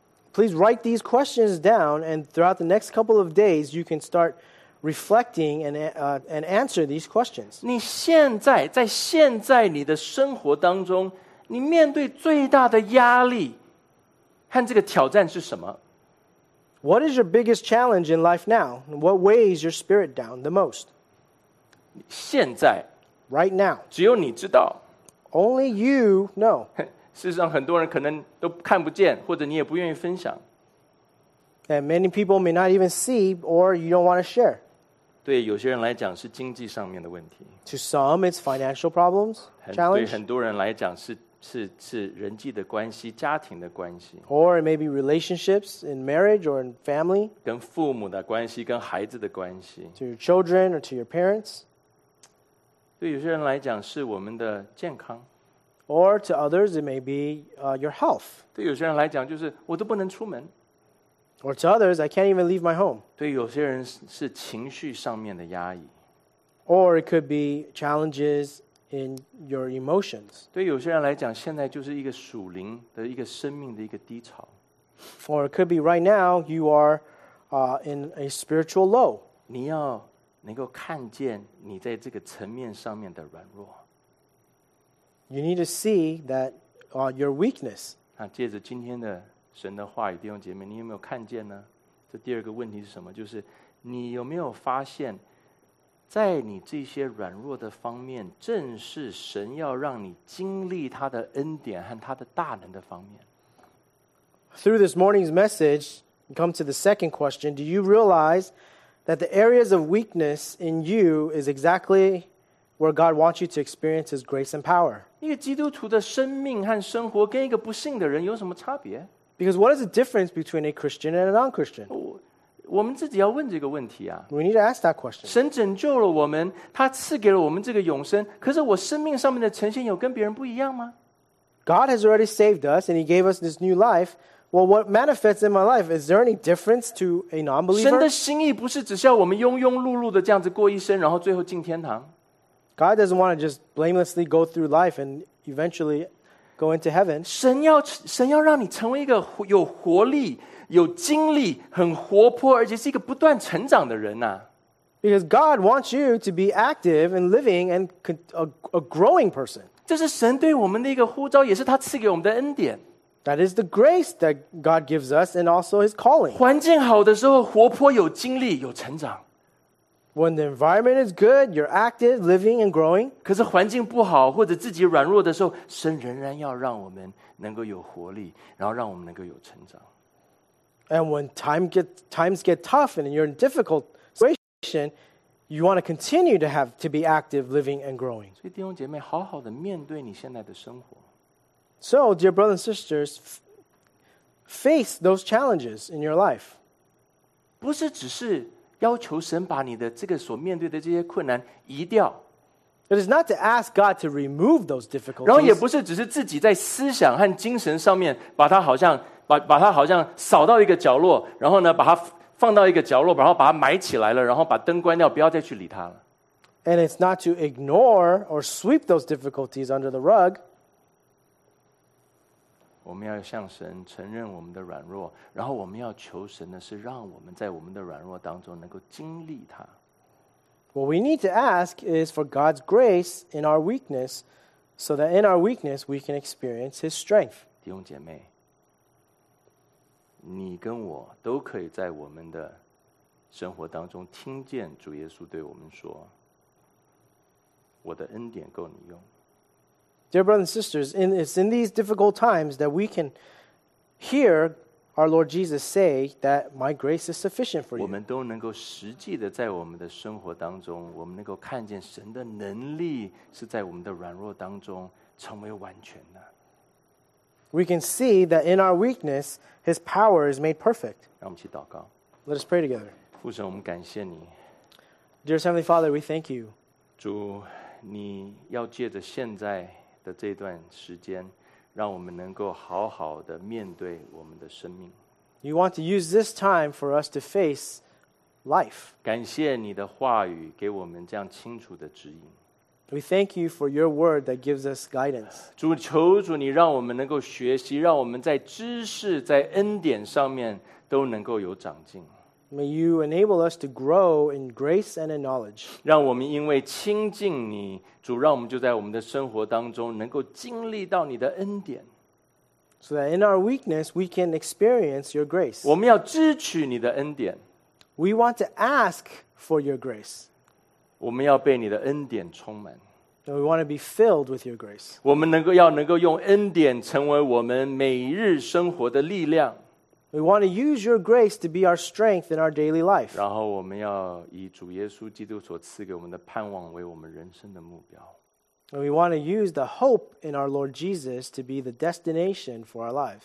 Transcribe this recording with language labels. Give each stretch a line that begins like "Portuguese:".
English: Please write these questions down, and throughout the next couple of days, you can start reflecting and answer these questions.
Chinese: 你现在在现在你的生活当中，你面对最大的压力和这个挑战是什么？
English: What is your biggest challenge in life now? What weighs your spirit down the most?
Chinese: 现在
English: Right now.
Chinese: 只有你知道
English: Only you know.
Chinese: 事实上很多人可能都看不见，或者你也不愿意分享。
English: And many people may not even see, or you don't want to share.
Chinese: 对有些人来讲是经济上面的问题。
English: To some, it's financial problems, challenge.
Chinese: 对很多人来讲是人际的关系，家庭的关系。
English: Or maybe relationships in marriage or in family.
Chinese: 跟父母的关系，跟孩子的关系。
English: To your children or to your parents.
Chinese: 对有些人来讲是我们的健康。
English: Or to others, it may be your health.
Chinese: 对有些人来讲就是我都不能出门。
English: Or to others, I can't even leave my home.
Chinese: 对有些人是情绪上面的压抑。
English: Or it could be challenges in your emotions.
Chinese: 对有些人来讲现在就是一个属灵的一个生命的一个低潮。
English: Or it could be right now you are in a spiritual low.
Chinese: 你要能够看见你在这个层面上面的软弱。
English: You need to see that your weakness.
Chinese: 那借着今天的神的话语，弟兄姐妹，你有没有看见呢？这第二个问题是什么？就是你有没有发现在你这些软弱的方面，正是神要让你经历他的恩典和他的大能的方面。
English: Through this morning's message, we come to the second question. Do you realize that the areas of weakness in you is exactly where God wants you to experience His grace and power?
Chinese: 一个基督徒的生命和生活跟一个不信的人有什么差别？
English: Because what is the difference between a Christian and a non-Christian?
Chinese: 我们自己要问这个问题啊。
English: We need to ask that question.
Chinese: 神拯救了我们，他赐给了我们这个永生，可是我生命上面的呈现有跟别人不一样吗？
English: God has already saved us and He gave us this new life. Well, what manifests in my life, is there any difference to a non-believer?
Chinese: 神的心意不是只是要我们庸庸碌碌的这样子过一生，然后最后进天堂。
English: God doesn't want to just blamelessly go through life and eventually go into heaven.
Chinese: 神要让你成为一个有活力有精力很活泼而且是一个不断成长的人啊。
English: Because God wants you to be active and living and a growing person.
Chinese: 这是神对我们的一个呼召也是他赐给我们的恩典。
English: That is the grace that God gives us and also His calling.
Chinese: 环境好的时候活泼有精力有成长。
English: When the environment is good, you're active, living and growing.
Chinese: 可是环境不好或者自己软弱的时候神仍然要让我们能够有活力然后让我们能够有成长。
English: And when times get tough and you're in a difficult situation, you want to continue to be active, living, and growing.
Chinese: 所以弟兄姐妹，好好地面对你现在的生活。
English: So, dear brothers and sisters, face those challenges in your life.
Chinese: 不是只是要求神把你的这个所面对的这些困难移掉。
English: It is not to ask God to remove those difficulties.
Chinese: 然后也不是只是自己在思想和精神上面把它好像把它好像扫到一个角落然后呢把它放到一个角落然后把它埋起来了然后把灯关掉不要再去理它了。
English: And it's not to ignore or sweep those difficulties under the rug.
Chinese: 我们要向神承认我们的软弱然后我们要求神的是让我们在我们的软弱当中能够经历它。
English: What we need to ask is for God's grace in our weakness so that in our weakness we can experience His strength.
Chinese: 弟兄姐妹你跟我都可以在我们的生活当中听见主耶稣对我们说我的恩典够你用。
English: Dear brothers and sisters, it's in these difficult times that we can hear our Lord Jesus say that my grace is sufficient for you.
Chinese: 我们都能够实际的在我们的生活当中我们能够看见神的能力是在我们的软弱当中成为完全的。
English: We can see that in our weakness, His power is made perfect. Let us pray together.
Chinese: 父神，我们感谢你。
English: Dear Heavenly Father, we thank you.
Chinese: 主，你要借着现在的这段时间，让我们能够好好的面对我们的生命。
English: You want to use this time for us to face life.
Chinese: 感谢你的话语给我们这样清楚的指引。
English: We thank you for your word that gives us guidance.
Chinese: 主，求主你让我们能够学习，让我们在知识、在恩典上面都能够有长进。
English: May you enable us to grow in grace and in knowledge.
Chinese: 让我们因为亲近你，主，让我们就在我们的生活当中能够经历到你的恩典。
English: So that in our weakness, we can experience your grace.
Chinese: 我们要支取你的恩典。
English: We want to ask for your grace.
Chinese: 我们要被你的恩典充满。
English: And we want to be filled with your grace.
Chinese: 我们能够用恩典成为我们每日生活的力量。
English: We want to use your grace to be our strength in our daily life.
Chinese: 然后我们要以主耶稣基督所赐给我们的盼望为我们人生的目标。
English: And we want to use the hope in our Lord Jesus to be the destination for our life.